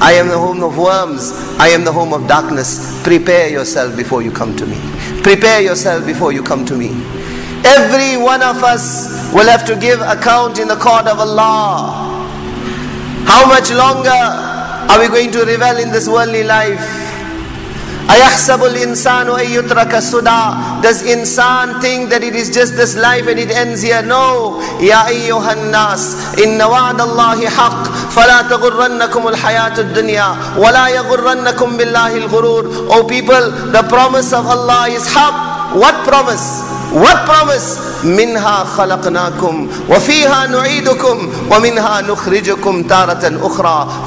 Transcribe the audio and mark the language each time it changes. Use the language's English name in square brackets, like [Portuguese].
[English] I am the home of worms. I am the home of darkness. Prepare yourself before you come to me. Prepare yourself before you come to me. Every one of us will have to give account in the court of Allah. How much longer are we going to revel in this worldly life? [Arabic] أَيَحْسَبُ الْإِنسَانُ أَن يُتْرَكَ سُدَى. [English] Does insan think that it is just this life and it ends here? [Arabic] No. يَا أَيُّهَا النَّاسِ إِنَّ وَعْدَ اللَّهِ حَقٌّ فَلَا تَغُرَّنَّكُمُ الْحَيَاةُ الدُّنْيَا وَلَا يَغُرَّنَّكُمْ بِاللَّهِ الْغُرُورُ. [English] O people, the promise of Allah is haq. What promise? What promise? [Arabic] مِنْهَا خَلَقْنَاكُمْ وَفِيهَا نُعِيدُكُمْ وَمِنْهَا نُخْرِجُكُمْ تَارَةً أُخْرَى.